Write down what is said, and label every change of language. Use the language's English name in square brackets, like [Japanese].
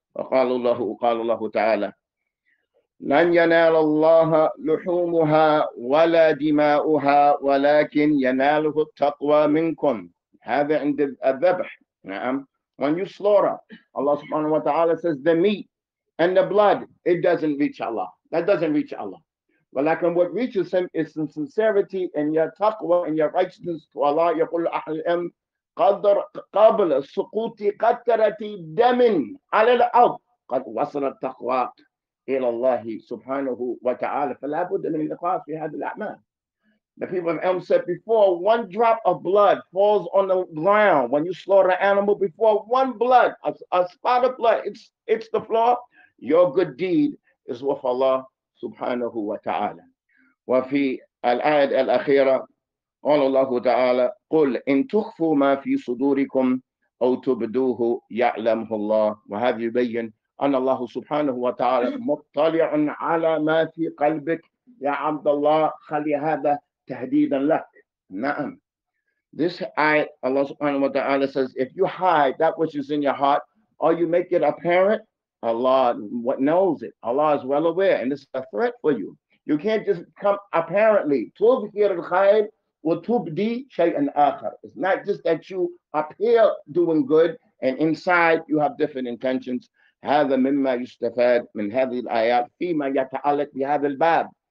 [Arabic] وَقَالُ اللَّهُ تَعَالَى لن ينال الله لحومها ولا دماؤها ولكن يناله التقوى منكم. هذا عند الذبح. نعم. [English] When you slaughter, Allah subhanahu wa ta'ala says the meat and the blood, it doesn't reach Allah. That doesn't reach Allah. [Arabic] ولكن [English] what reaches him is in sincerity and your taqwa and your righteousness to Allah. [Arabic] يقول أهل العلم قدر قبل سقوط قطرة دم على الأرض قد وصل التقوى إلى الله سبحانه وتعالى. فلا بد من الإخلاص في هذه الأعمال. [English] The people of Elm said before one drop of blood falls on the ground when you slaughter an animal, before one blood, a spot of blood, it's the floor, your good deed is with Allah [Arabic] سبحانه وتعالى. وفي الآية الأخيرة قال الله تعالى قل إن تخفوا ما في صدوركم أو تبدوه يعلمه الله. وهذا يبين أن الله سبحانه وتعالى مطلع على ما في قلبك يا عبد الله. خلي هذا تهديدا لك. نعم. [English] This ayat, Allah subhanahu wa ta'ala says, if you hide that which is in your heart, or you make it apparent, Allah knows it. Allah is well aware. And this is a threat for you. You can't just come apparently. [Arabic] Tub here al-khair wa tub di shay'an akhar. [English] It's not just that you appear doing good and inside you have different intentions. [Arabic] هذا مما يستفاد من هذه الآيات فيما يتعلق بهذا الباب.